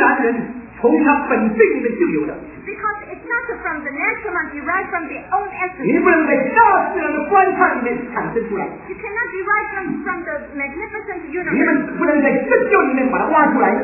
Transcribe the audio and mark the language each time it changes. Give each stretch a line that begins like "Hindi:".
Chinese: 如果你的爸爸没有告诉你他是你的爸，你不能够从你灵性当中知道他是你的爸。相信上帝的本性。所以，这是一个特殊的启示。
English: Why do we call it a special revelation？
Chinese: 因为不是自然人从他本性里面就有的。
English: Because it's not from the natural one derived from the own essence.
Chinese: 你不能在大自然的观察里面产生出来。
English: You cannot derive from the magnificent universe.
Chinese: 你们不能在自救里面把它挖出来。